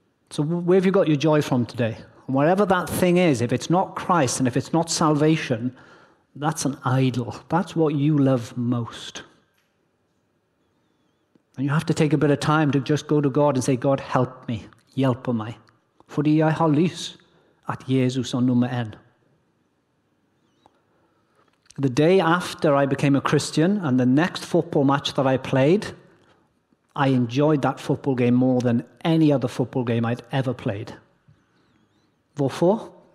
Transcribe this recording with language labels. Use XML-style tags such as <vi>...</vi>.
<en>So where have you got your joy from today? And wherever that thing is, if it's not Christ and if it's not salvation, that's an idol. That's what you love most. And you have to take a bit of time to just go to God and say, God, help me.</en> <no>Hjelp meg. Fordi jeg har lys at Jesus er nummer en.</no> <en>The day after I became a Christian and the next football match that I played, I enjoyed that football game more than any other football game I'd ever played.</en> <no>Hvorfor?</no>